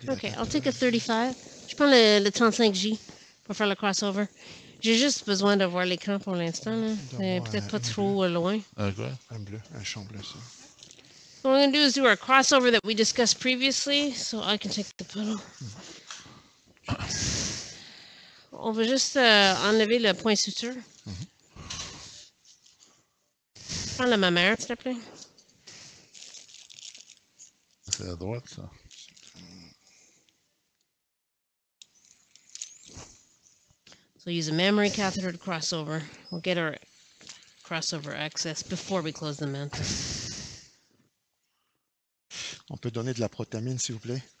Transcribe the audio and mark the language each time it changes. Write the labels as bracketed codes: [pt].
[en] Okay, I'll take a 35. [fr] Je prends le 35G pour faire le crossover. J'ai juste besoin de voir les camps pour l'instant. Peut-être pas trop loin. Un quoi? Un bleu, un champ bleu, ça. [en] What I'm going to do is do our crossover that we discussed previously, so I can take the puddle. [fr] On va juste enlever le point suture. Prends la mammaire, s'il te plaît. C'est à droite, ça. [en] So use a mammary catheter to cross over. We'll get our crossover access before we close the mantle. [fr] On peut donner de la protamine, s'il vous plaît.